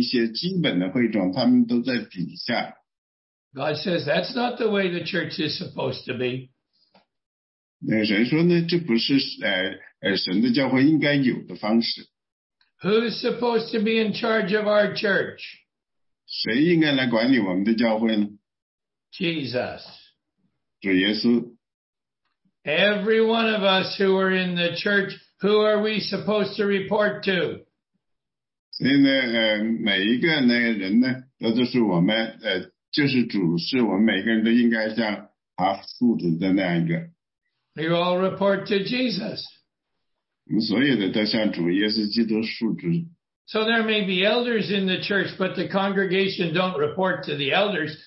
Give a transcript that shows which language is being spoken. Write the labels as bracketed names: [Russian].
[Chinese] 这些所有神职的人员呢，他们是在上面，下面呢就有一些基本的会众，他们都在底下。 [English] God says that's not the way the church is supposed to be. [Chinese] 那神说呢，这不是神的教会应该有的方式。 [English] Who's supposed to be in charge of our church? [Chinese] 谁应该来管理我们的教会呢？ [English] Jesus. [Chinese] 主耶稣。 [English] Every one of us who are in the church, who are we supposed to report to? [Chinese] 所以呢，每一个人呢，都是我们，就是主，是我们每个人都应该向他述职的那样一个。 [English] You all report to Jesus. [Chinese] 我们所有的都向主耶稣基督述职。 [English] So there may be elders in the church, but the congregation don't report to the elders.